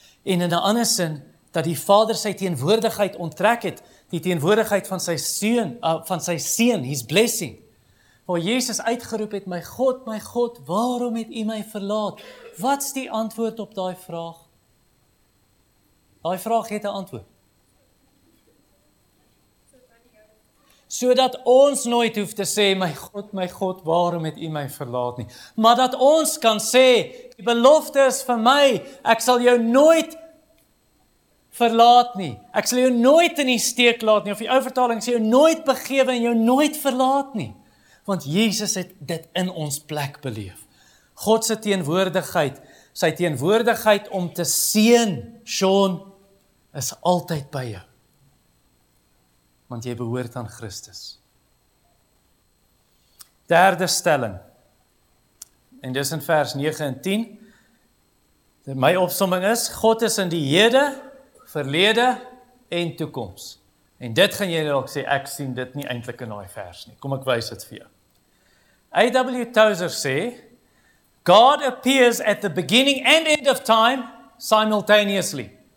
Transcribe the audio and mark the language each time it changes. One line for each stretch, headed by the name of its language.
Afrikaans: En in 'n ander sin, dat die Vader sy teenwoordigheid onttrek het, die teenwoordigheid van sy seun,
English: his blessing,
Afrikaans: waar Jesus uitgeroep het, my God, waarom het u my verlaat? Wat's die antwoord op daai vraag? Daai vraag het 'n antwoord. Sodat ons nooit hoef te sê, my God, waarom het u my verlaat nie? Maar dat ons kan sê, die belofte is vir my, ek sal jou nooit verlaat nie. Ek sal jou nooit in die steek laat nie. Of die ou vertaling sê, jou nooit begewe en jou nooit verlaat nie. Want Jesus het dit in ons plek beleef. God se teenwoordigheid, sy teenwoordigheid om te seën, Sean, is altyd by jou. Want jy behoort aan Christus. Derde stelling. En dis in vers 9 en 10. My opsomming is, God is in die hede, verlede en toekoms. En dit gaan jy dalk sê, ek sien dit nie eintlik in daai vers nie. Kom ek wys dit vir jou. A.W.
English: Tozer
Afrikaans: sê,
English: God appears at the beginning and end of time simultaneously.